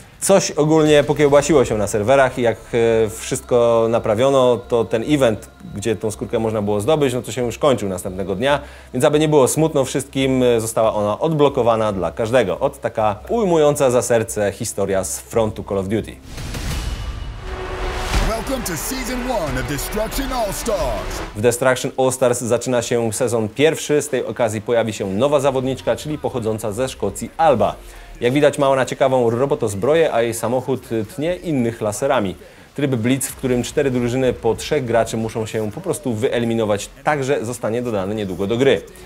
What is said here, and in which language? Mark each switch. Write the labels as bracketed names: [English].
[Polish] Coś ogólnie pokiełbasiło się na serwerach i jak wszystko naprawiono, to ten event, gdzie tą skórkę można było zdobyć, no to się już kończył następnego dnia. Więc aby nie było smutno wszystkim, została ona odblokowana dla każdego. Ot taka ujmująca za serce historia z frontu Call of Duty. [English] Welcome to season one of Destruction All-Stars. [Polish] W Destruction All-Stars zaczyna się sezon pierwszy, z tej okazji pojawi się nowa zawodniczka, czyli pochodząca ze Szkocji Alba. Jak widać, ma ona ciekawą robotozbroję, a jej samochód tnie innych laserami. Tryb Blitz, w którym cztery drużyny po trzech graczy muszą się po prostu wyeliminować, także zostanie dodany niedługo do gry.